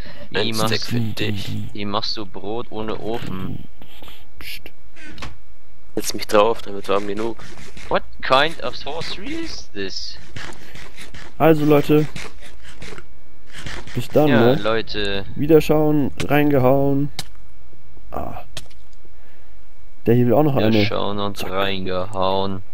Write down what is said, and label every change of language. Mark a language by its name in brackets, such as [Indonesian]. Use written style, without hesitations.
[German] Wie machst du Brot ohne Ofen? Psst. Setz mich drauf, dann wird's warm genug. [English] What kind of sorcery is this? [German] Also Leute, bis dann, ja, ne? Leute. Wiederschauen, reingehauen. Ah. Der hier will auch noch eine. Wiederschauen und reingehauen.